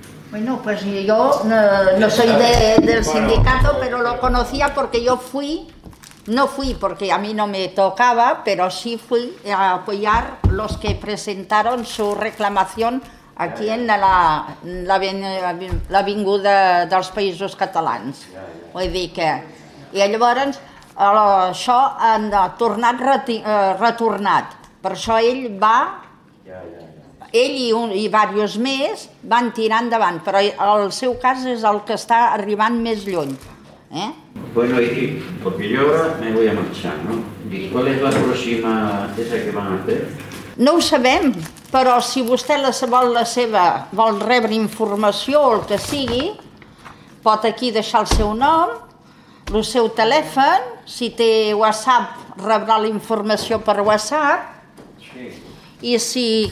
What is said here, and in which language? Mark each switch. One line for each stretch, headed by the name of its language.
Spanish: Bueno, pues yo no soy del sindicato, pero lo conocía porque yo fui, no fui porque a mí no me tocaba, pero sí fui a apoyar los que presentaron su reclamación aquí en la vinguda dels Països Catalans.
Catalan: Vull dir que... I llavors això han tornat retornat. Per això ell va... Ell i diversos més van tirar endavant, però el seu cas és el que està arribant més lluny.
Spanish: Bueno, y porque yo ahora me voy a marchar, ¿no? ¿Y cuál es la próxima esa que van a hacer?
Catalan: No ho sabem, però si vostè vol rebre informació o el que sigui, pot aquí deixar el seu nom, el seu telèfon, si té WhatsApp rebrà la informació per WhatsApp. Sí. I si...